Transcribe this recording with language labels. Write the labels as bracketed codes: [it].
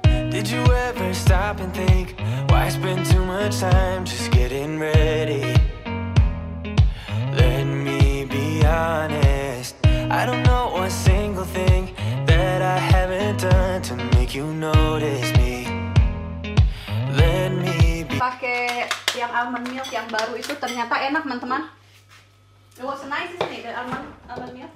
[en] Did you ever stop and think why spend too much time just getting ready? Let me be honest, I don't know a single thing that I haven't done to make you notice me. Let me be. [id] Pakai yang almond milk yang baru itu ternyata enak, teman-teman. [en] It was nice, isn't it, the almond milk?